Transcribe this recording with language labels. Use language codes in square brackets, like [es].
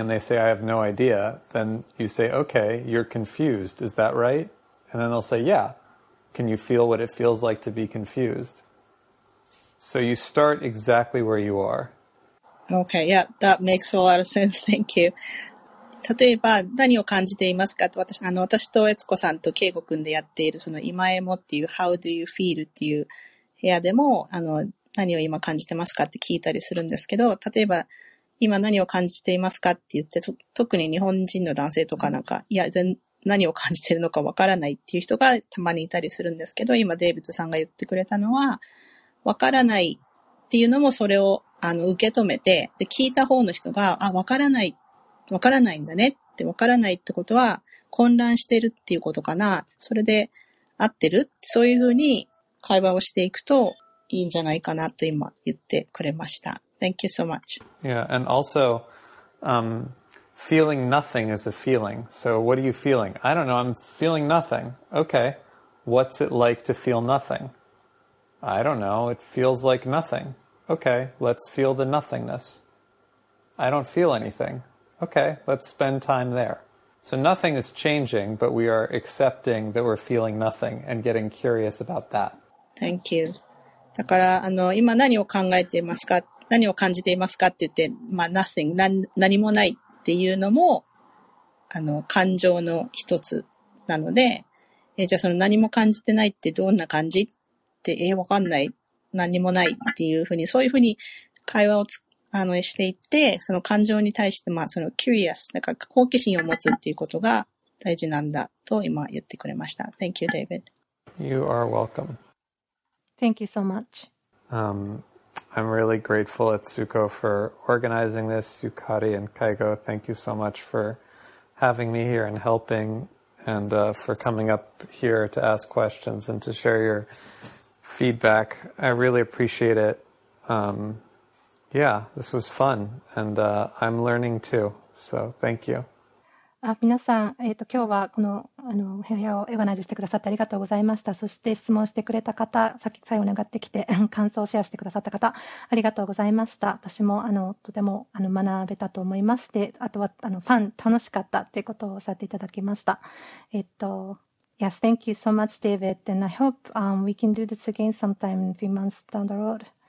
[en] And they say, I have no idea. Then you say, okay, you're confused. Is that right? And then they'll say, yeah. Can you feel what it feels like to be confused? So you start exactly where you are. Okay, yeah, that makes a lot of sense. Thank you. [ja] 例えば何を感じていますかと 私と悦子さんと圭吾君でやっているその今エモっていう [en] How do you feel [ja] っていう部屋でも何を今感じてますかって聞いたりするんですけど、例えば今何を感じていますかって言って、特に日本人の男性とかなんか、いや、何を感じてるのかわからないっていう人がたまにいたりするんですけど、今デイビッドさんが言ってくれたのは、わからないっていうのもそれを受け止めて、で、聞いた方の人が、あ、わからない、わからないんだねって、わからないってことは混乱してるっていうことかな、それで合ってる、そういうふうに会話をしていくといいんじゃないかなと今言ってくれました。 [en] Thank you so much. Yeah, and also, feeling nothing is a feeling. So what are you feeling? I don't know, I'm feeling nothing. Okay, what's it like to feel nothing? I don't know, it feels like nothing. Okay, let's feel the nothingness. I don't feel anything. Okay, let's spend time there. So nothing is changing, but we are accepting that we're feeling nothing and getting curious about that. Thank you. [ja] だから今何を考えていますか、何を感じていますかって言って、まあ、nothing、何もないっていうのも感情の一つなので、じゃあその何も感じてないってどんな感じって、わかんない、何もないっていうふうに、そういうふうに会話をしていって、その感情に対して、まあ、その curious、なんか好奇心を持つっていうことが大事なんだと今言ってくれました。 [en] Thank you, David. You are welcome. Thank you so much. I'm really grateful at Tsuko for organizing this. Yukari and Kaigo, thank you so much for having me here and helping and for coming up here to ask questions and to share your feedback. I really appreciate it. Yeah, this was fun, and I'm learning too, so thank you. [ja] 皆さん、今日はこの部屋をエゴナイズしてくださってありがとうございました。そして質問してくれた方、さっき最後に上がってきて感想をシェアしてくださった方、ありがとうございました。私もとても学べたと思いまして、あとはファン、楽しかったということをおっしゃっていただきました。 [en] Yes, thank you so much, David, and I hope we can do this again sometime in a few months down the road.